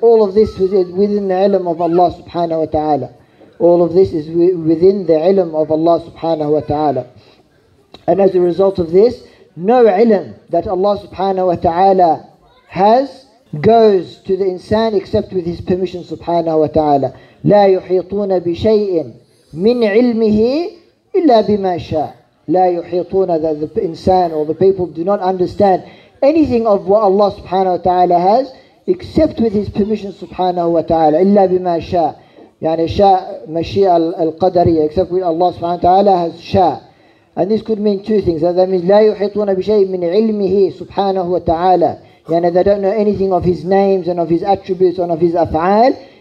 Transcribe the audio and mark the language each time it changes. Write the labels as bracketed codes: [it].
[en] All of this is within the ilm of Allah subhanahu wa ta'ala. All of this is within the ilm of Allah subhanahu wa ta'ala. And as a result of this, no ilm that Allah subhanahu wa ta'ala has goes to the insan except with his permission subhanahu wa ta'ala. [ar] لا يحيطون بشيء من علمه إلا بما شاء. لا يحيطون [en] that the insan or the people do not understand anything of what Allah subhanahu wa ta'ala has except with his permission subhanahu wa ta'ala. [ar] إلا بما شاء. يعني شاء مشيء القدرية [en] except with Allah subhanahu wa ta'ala has [ar] شاء. [en] And this could mean two things. That means [ar] لا يحيطون بشيء من علمه سبحانه وتعالى. [en] يعني they don't know anything of his names and of his attributes and of his أفعال